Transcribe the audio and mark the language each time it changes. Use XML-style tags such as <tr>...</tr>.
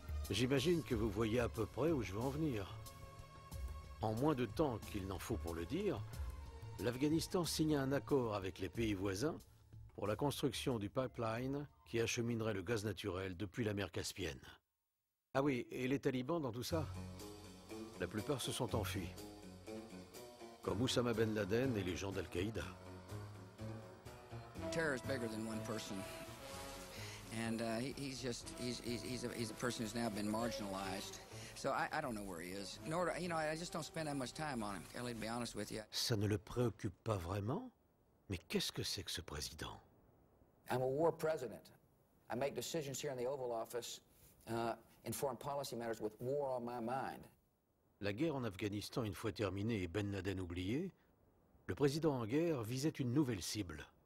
<fr>J'imagine que vous voyez à peu près où je veux en venir. En moins de temps qu'il n'en faut pour le dire, l'Afghanistan signa un accord avec les pays voisins pour la construction du pipeline qui acheminerait le gaz naturel depuis la mer Caspienne. Ah oui, et les talibans dans tout ça? La plupart se sont enfuis, comme Oussama Ben Laden et les gens d'Al-Qaïda.</fr> <en>Terror is bigger than one person. And he's a person who's now been marginalized. So I don't know where he is. Nor do, you know, I just don't spend that much time on him. Kelly, to be honest with you.</en> <fr>Ça ne le préoccupe pas vraiment. Mais qu'est-ce que c'est que ce président?</fr> <en>I'm a war president. I make decisions here in the Oval Office in foreign policy matters with war on my mind.</en> <fr>La guerre en Afghanistan une fois terminée et Ben Laden oublié, le président en guerre visait une nouvelle cible.</fr>